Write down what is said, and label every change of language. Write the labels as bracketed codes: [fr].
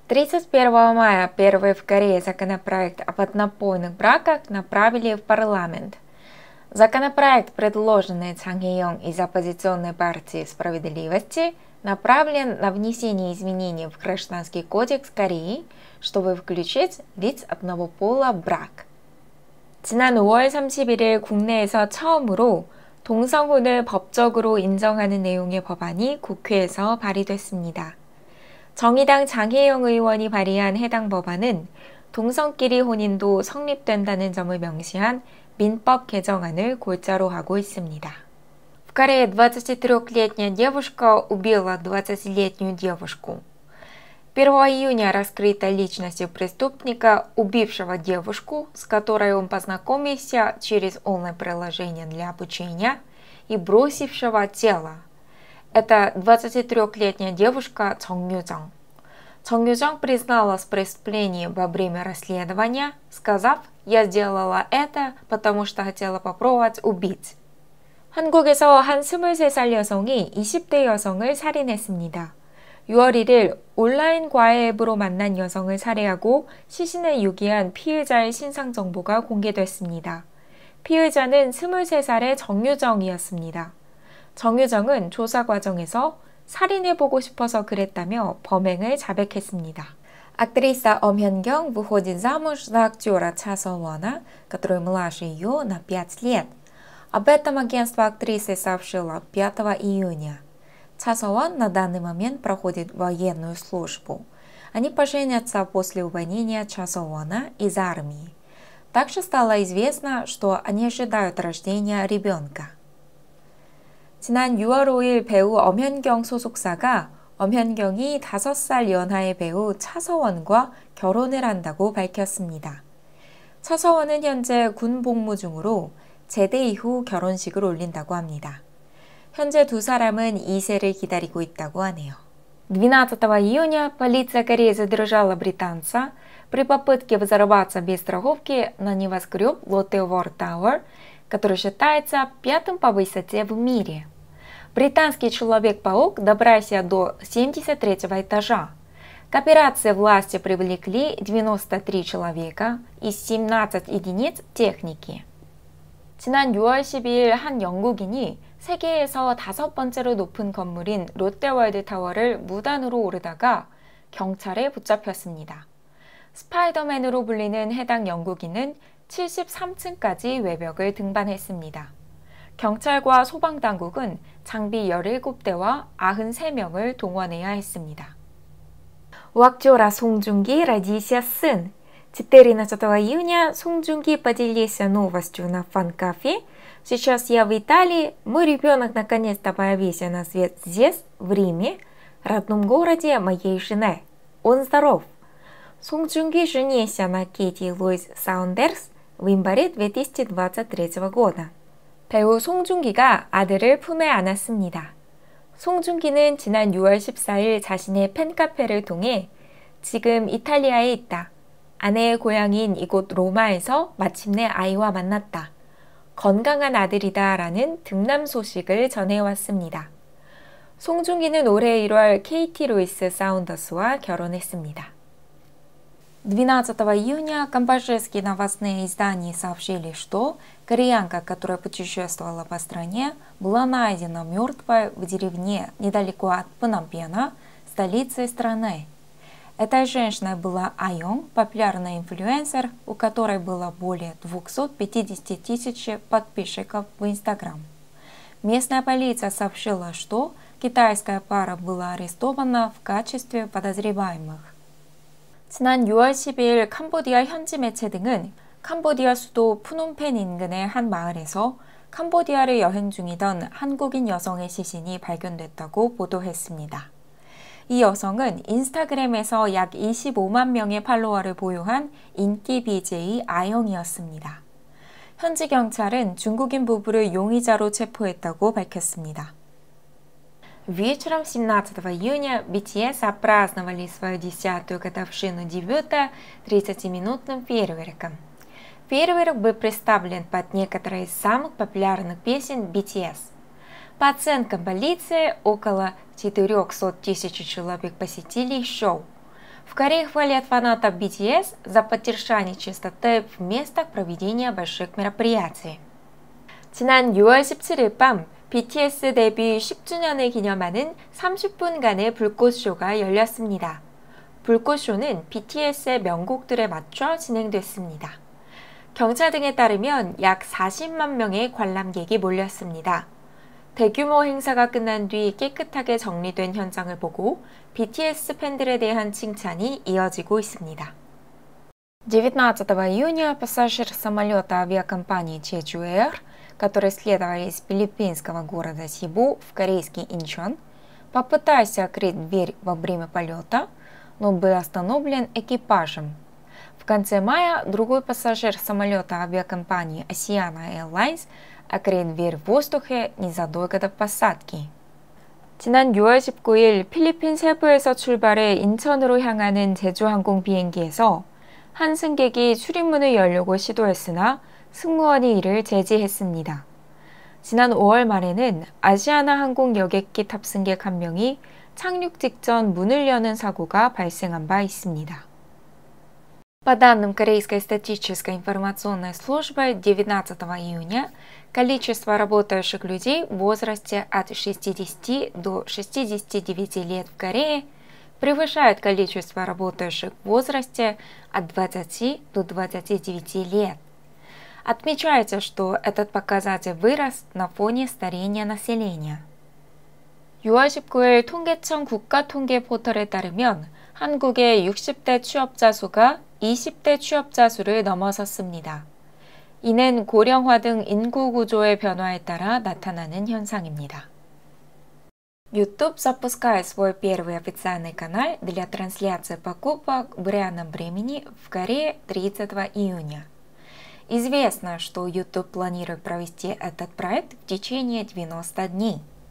[ru] 31 мая первый в Корее законопроект об однополых браках направили в парламент. Законопроект, предложенный Чан Хи-йонг из оппозиционной партии «Справедливости», направлен на внесение изменений в Гражданский кодекс Кореи, чтобы включить лиц одного пола в брак. [ko] 지난 5월 31일 국내에서 처음으로 동성혼을 법적으로 인정하는 내용의 법안이 국회에서 발의됐습니다. 정의당 장혜영 의원이 발의한 해당 법안은 동성끼리 혼인도 성립된다는 점을 명시한 민법 개정안을 골자로 하고 있습니다. [ru] В Корее 23-летняя девушка убила 20-летнюю девушку. 1 июня раскрыта личность преступника, убившего девушку, с которой он познакомился через онлайн-приложение для обучения и бросившего тело. Это 23-летняя девушка Чон Ю-Чон. Чон Ю-Чон призналась в преступлении во время расследования, сказав: «Я сделала это, потому что хотела попробовать убить». [ko] 한국에서 한 23살 여성이 20대 여성을 살인했습니다. 6월 1일 온라인 과외 앱으로 만난 여성을 살해하고 시신을 유기한 피의자의 신상 정보가 공개됐습니다. 피의자는 23살의 정유정이었습니다. 정유정은 조사 과정에서 살인해보고 싶어서 그랬다며 범행을 자백했습니다. [ru] Актриса Ом Хён Гёнг выходит замуж за актера Ча Сон Вона, который младше ее на 5 лет. Об этом агентство актрисы сообщило 5 июня. Ча Сон Вон на данный момент проходит военную службу. Они поженятся после увольнения Ча Сон Вона из армии. Также стало известно, что они ожидают рождения ребенка. [ko] 지난 6월 5일 배우 엄현경 소속사가 엄현경이 5살 연하의 배우 차서원과 결혼을 한다고 밝혔습니다. 차서원은 현재 군 복무 중으로 제대 이후 결혼식을 올린다고 합니다. 현재 두 사람은 2세를 기다리고 있다고 하네요. [ru] 12 июня полиция Кореи задержала британца при попытке взорваться без страховки на небоскреб Lotte World Tower, который считается пятым по высоте в мире. Британский Человек-паук добрался до 73-го этажа. К операции власти привлекли 93 человека и 17 единиц техники. [ko] 지난 6월 12일 한 영국인이 세계에서 다섯 번째로 높은 건물인 롯데월드타워를 무단으로 오르다가 경찰에 붙잡혔습니다. 스파이더맨으로 불리는 해당 영국인은 73층까지 외벽을 등반했습니다. 경찰과 소방당국은 장비 17대와 93명을 동원해야 했습니다. [ru] У актера Сон Джунги родился сын. 14 июня Сон Джунги поделился новостью на фан-кафе. Сейчас я в Италии, мой ребенок наконец-то появился на свет здесь, в Риме, родном городе моей жены. Он здоров. Сон Джунги женился на Кэти Луиз Саундерс в январе 2023 года. [ko] 배우 송중기가 아들을 품에 안았습니다. 송중기는 지난 6월 14일 자신의 팬카페를 통해 지금 이탈리아에 있다. 아내의 고향인 이곳 로마에서 마침내 아이와 만났다. 건강한 아들이다 라는 등남 소식을 전해왔습니다. 송중기는 올해 1월 KT 루이스 사운더스와 결혼했습니다. [ru] 12 июня камбоджийские новостные издания сообщили, что кореянка, которая путешествовала по стране, была найдена мертвой в деревне недалеко от Пномпена, столицы страны. Эта женщина была Айон, популярный инфлюенсер, у которой было более 250 тысяч подписчиков в Инстаграм. Местная полиция сообщила, что китайская пара была арестована в качестве подозреваемых. [ko] 지난 6월 12일 캄보디아 현지 매체 등은 캄보디아 수도 프놈펜 인근의 한 마을에서 캄보디아를 여행 중이던 한국인 여성의 시신이 발견됐다고 보도했습니다. 이 여성은 인스타그램에서 약 25만 명의 팔로워를 보유한 인기 BJ 아영이었습니다. 현지 경찰은 중국인 부부를 용의자로 체포했다고 밝혔습니다. [ru] Вечером 17 июня BTS отпраздновали свою 10-ю годовщину дебюта 30-минутным фейерверком. Фейерверк был представлен под некоторые из самых популярных песен BTS. По оценкам полиции, около 400 тысяч человек посетили шоу. В Корее хвалят фанатов BTS за поддержание чистоты в местах проведения больших мероприятий. [ko] 지난 6월 17일 밤 BTS 데뷔 10주년을 기념하는 30분간의 불꽃쇼가 열렸습니다. 불꽃쇼는 BTS의 명곡들에 맞춰 진행됐습니다. 경찰 등에 따르면 약 40만 명의 관람객이 몰렸습니다. 대규모 행사가 끝난 뒤 깨끗하게 정리된 현장을 보고 BTS 팬들에 대한 칭찬이 이어지고 있습니다. [ru] 19 июня пассажир самолета авиакомпании Jeju Air, который следовал из филиппинского города Сибу в корейский Инчон, попытался открыть дверь во время полета, но был остановлен экипажем. В конце мая другой пассажир самолета авиакомпании Asiana Airlines открыл дверь в воздухе незадолго до посадки. [ko] 지난 6월 19일 필리핀 세부에서 출발해 인천으로 향하는 제주 항공 비행기에서 한 승객이 출입문을 열려고 시도했으나 승무원이 이를 제지했습니다. 지난 5월 말에는 아시아나 항공 여객기 탑승객 한 명이 착륙 직전 문을 여는 사고가 발생한 바 있습니다. [ru] По данным Корейской статистической информационной службы, 19 июня количество работающих людей в возрасте от 60 до 69 лет в Корее превышает количество работающих в возрасте от 20 до 29 лет. Отмечается, что этот показатель вырос на фоне старения населения. [ko] 6월 19일 통계청 국가통계포털에 따르면 한국의 60대 취업자 수가 20대 취업자 수를 넘어섰습니다. 이는 고령화 등 인구 구조의 변화에 따라 나타나는 현상입니다. [ru] YouTube запускает свой первый официальный канал для трансляции покупок в реальном времени в Корее 30 июня. Известно, что YouTube планирует провести этот проект в течение 90 дней.